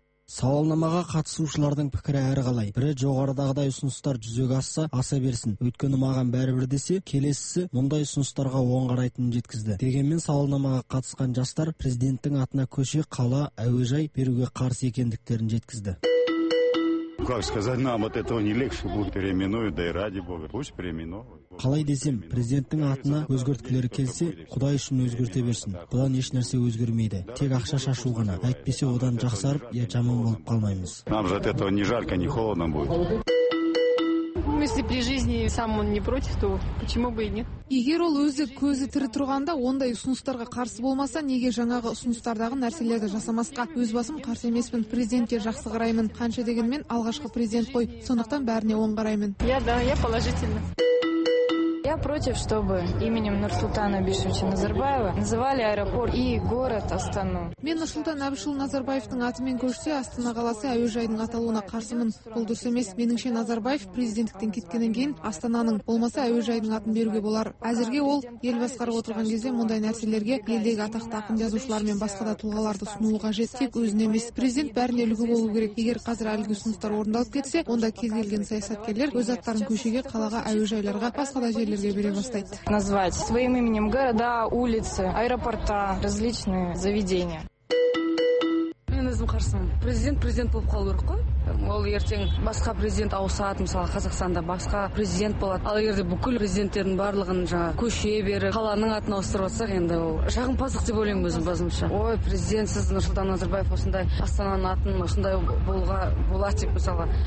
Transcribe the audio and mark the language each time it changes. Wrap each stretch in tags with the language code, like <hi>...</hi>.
<kk>Сауалнамаға қатысушылардың пікірі әр қалай. Бірі жоғарыдағыдай ұсыныстар жүзеге асса, аса берсін. Өйткені маған бәрібір десе, келесісі мұндай ұсыныстарға оң қарайтынын жеткізді. Дегенмен сауалнамаға қатысқан жастар президенттің атына көше, қала, әуежай беруге қарсы екендіктерін жеткізді.</kk> <ru>Как сказать нам от этого не легче будет переименовать, да и ради бога, пусть переименовывают.</ru> <kk>Қалай десем, президенттің атына өзгерткілері келсе, Құдай үшін өзгерте берсін. Бұдан еш нәрсе өзгермейді. Тек ақша шашу ғана. Әйтпесе одан жақсарып, я жаман болып қалмаймыз.</kk> <ru>Нам же от этого не жарко, не холодно будет. Если при жизни сам он не против, то почему бы и нет?</ru> <kk>Егер ол өзі көзі тірі тұрғанда ондай ұсыныстарға қарсы болмаса, неге жаңағы ұсыныстардағы нәрселерді жасамасқа? Өз басым қарсы емеспін, президентке жақсы қараймын. Қанша дегенмен алғашқы президент қой, сондықтан бәріне оң қараймын.</kk> <ru>Я положительно. Я против, чтобы именем Нұрсұлтана Әбішевича Назарбаева называли аэропорт и город Астану.</ru> <kk>Мен Нұрсұлтан Әбішұлы Назарбаевтың атымен көрсе, Астана қаласы әуежайдың аталуына қарсымын. Бұл дұрыс емес. Меніңше Назарбаев президенттіктен кеткеннен кейін Астананың болмаса әуежайдың атын беруге болар. Әзірге ол ел басқарып отырған кезде мұндай нәрселерге елдегі атақты ақын жазушылар мен басқа да тұлғаларды ұсынуы қажет. Тек өзіне емес, президент бәріне үлгі болу керек. Егер қазір әлгі ұсыныстар орындалып кетсе, онда кез келген саясаткерлер өз аттарын көшеге, қалаға, әуежайларға, басқа да</kk> <ru>назвать своим именем города, улицы, аэропорта, различные заведения.</ru> <kk>Мен өзім қарсымын. Президент болып қалу керек қой. Ол ертең басқа президент ауысады, мысалы Қазақстанда басқа президент болады. Ал егер де бүкіл президенттердің барлығын жаңа көше беріп, қаланың атын ауыстырып отсақ, енді ол жағымпаздық деп ойлаймын өзім басымша. Ой, президент сіз Нұрсұлтан Назарбаев осындай Астананың атын осындай болуға болады деп мысалы.</kk>